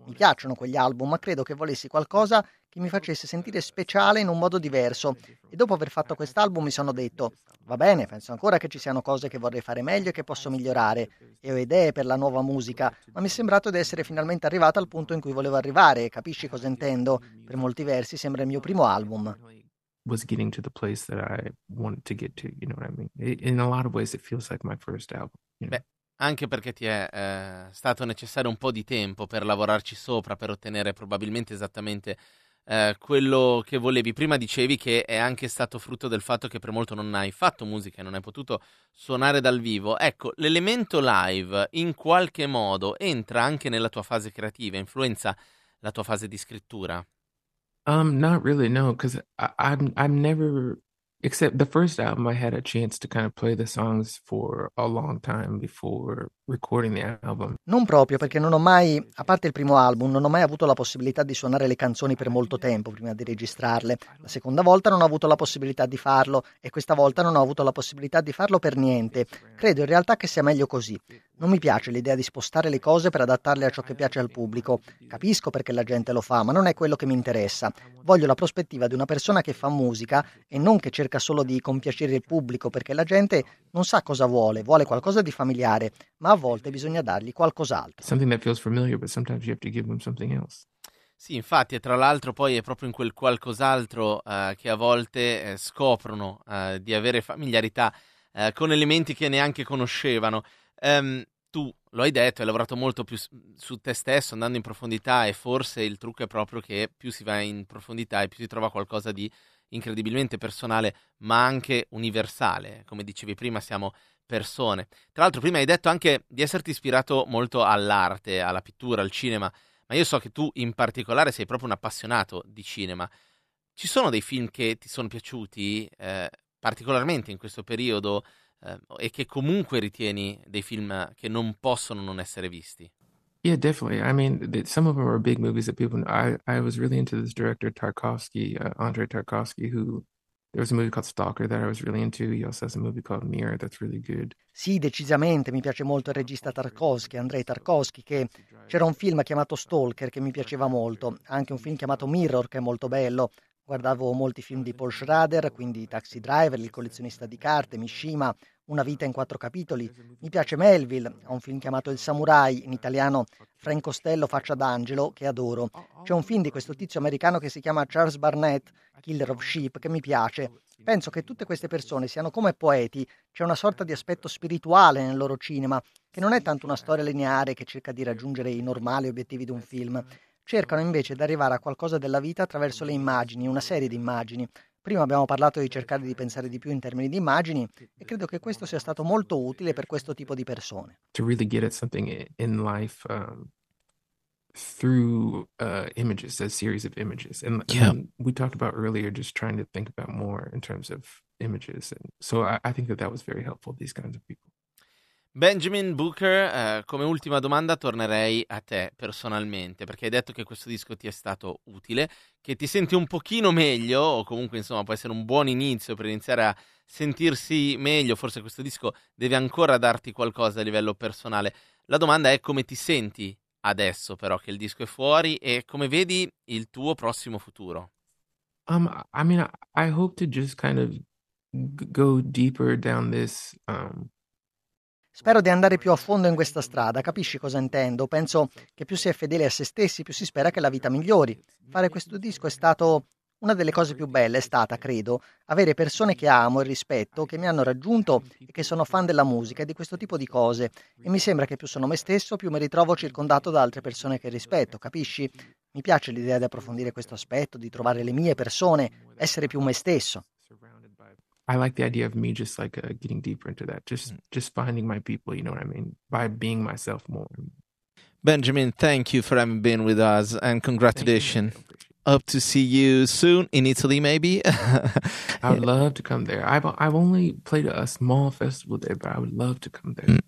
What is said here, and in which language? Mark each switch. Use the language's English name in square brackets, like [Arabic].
[Italian] Mi piacciono quegli album, ma credo che volessi qualcosa che mi facesse sentire speciale in un modo diverso. E dopo aver fatto quest'album mi sono detto, va bene, penso ancora che ci siano cose che vorrei fare meglio e che posso migliorare. E ho idee per la nuova musica, ma mi è sembrato di essere finalmente arrivato al punto in cui volevo arrivare, capisci cosa intendo? Per molti versi sembra il mio primo album. [English] Was getting to the place that I wanted to get to, you know what I mean? In a lot of ways it feels like my first album, you know? [Italian] Beh, anche perché ti è stato necessario un po' di tempo per lavorarci sopra, per ottenere probabilmente esattamente quello che volevi. Prima dicevi che è anche stato frutto del fatto che per molto non hai fatto musica e non hai potuto suonare dal vivo. Ecco, l'elemento live in qualche modo entra anche nella tua fase creativa, influenza la tua fase di scrittura? [English] Not really, no, because I'm never, except the first album, I had a chance to kind of play the songs for a long time before recording the album. [Italian] Non proprio, perché non ho mai, a parte il primo album, non ho mai avuto la possibilità di suonare le canzoni per molto tempo prima di registrarle. La seconda volta non ho avuto la possibilità di farlo, e questa volta non ho avuto la possibilità di farlo per niente. Credo in realtà che sia meglio così. Non mi piace l'idea di spostare le cose per adattarle a ciò che piace al pubblico. Capisco perché la gente lo fa, ma non è quello che mi interessa. Voglio la prospettiva di una persona che fa musica e non che cerca solo di compiacere il pubblico, perché la gente non sa cosa vuole, vuole qualcosa di familiare, ma a volte bisogna dargli qualcos'altro. [English] Something that feels familiar, but sometimes you have to give them something else. [Italian] Sì, infatti, e tra l'altro poi è proprio in quel qualcos'altro che a volte scoprono di avere familiarità con elementi che neanche conoscevano. Tu lo hai detto, hai lavorato molto più su te stesso andando in profondità, e forse il trucco è proprio che più si va in profondità e più si trova qualcosa di incredibilmente personale ma anche universale. Come dicevi prima, siamo persone. Tra l'altro prima hai detto anche di esserti ispirato molto all'arte, alla pittura, al cinema, ma io so che tu in particolare sei proprio un appassionato di cinema. Ci sono dei film che ti sono piaciuti particolarmente in questo periodo e che comunque ritieni dei film che non possono non essere visti? [English] Yeah, definitely. I mean, some of them are big movies that people know. I was really into this director, Tarkovsky, Andrei Tarkovsky, who there was a movie called Stalker that I was really into. He also has a movie called Mirror that's really good. [Italian] Sì, decisamente. Mi piace molto il regista Tarkovsky, Andrei Tarkovsky, che c'era un film chiamato Stalker che mi piaceva molto. Anche un film chiamato Mirror che è molto bello. Guardavo molti film di Paul Schrader, quindi Taxi Driver, Il collezionista di carte, Mishima, Una vita in quattro capitoli. Mi piace Melville, ha un film chiamato Il Samurai, in italiano Frank Costello faccia d'angelo, che adoro. C'è un film di questo tizio americano che si chiama Charles Barnett, Killer of Sheep, che mi piace. Penso che tutte queste persone siano come poeti, c'è una sorta di aspetto spirituale nel loro cinema, che non è tanto una storia lineare che cerca di raggiungere i normali obiettivi di un film. Cercano invece di arrivare a qualcosa della vita attraverso le immagini, una serie di immagini. Prima abbiamo parlato di cercare di pensare di più in termini di immagini e credo che questo sia stato molto utile per questo tipo di persone. [English] To really get at something in life through images, a series of images. And, yeah. And we talked about earlier just trying to think about more in terms of images. And so I think that was very helpful, these kinds of people. [Italian] Benjamin Booker, come ultima domanda tornerei a te personalmente, perché hai detto che questo disco ti è stato utile, che ti senti un pochino meglio, o comunque insomma può essere un buon inizio per iniziare a sentirsi meglio, forse questo disco deve ancora darti qualcosa a livello personale. La domanda è come ti senti adesso però che il disco è fuori e come vedi il tuo prossimo futuro? [English] I mean, I hope to just kind of go deeper down this... [Italian] Spero di andare più a fondo in questa strada, capisci cosa intendo? Penso che più si è fedeli a se stessi, più si spera che la vita migliori. Fare questo disco è stato una delle cose più belle, è stata, credo, avere persone che amo e rispetto, che mi hanno raggiunto e che sono fan della musica e di questo tipo di cose. E mi sembra che più sono me stesso, più mi ritrovo circondato da altre persone che rispetto, capisci? Mi piace l'idea di approfondire questo aspetto, di trovare le mie persone, essere più me stesso. [English] I like the idea of me just like getting deeper into that, just finding my people, you know what I mean, by being myself more. Benjamin, thank you for having been with us and congratulations. Hope to see you soon in Italy, maybe. I would love to come there. I've only played a small festival there, but I would love to come there. Mm.